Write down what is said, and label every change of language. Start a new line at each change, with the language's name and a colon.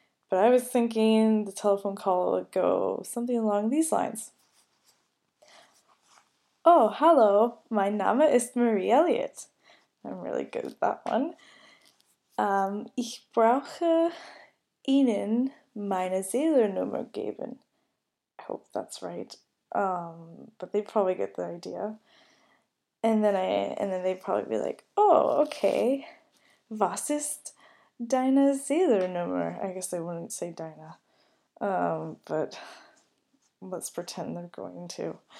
English: But I was thinking the telephone call would go something along these lines. Oh, hello,
German: mein Name ist Marie Elliott.
English: I'm really good at that one.
German: Ich brauche Ihnen meine Zählernummer geben.
English: I hope that's right. But they probably get the idea. And then they'd probably be like, oh, okay,
German: was ist deine Zählernummer?
English: I guess they wouldn't say deine, but let's pretend they're going to.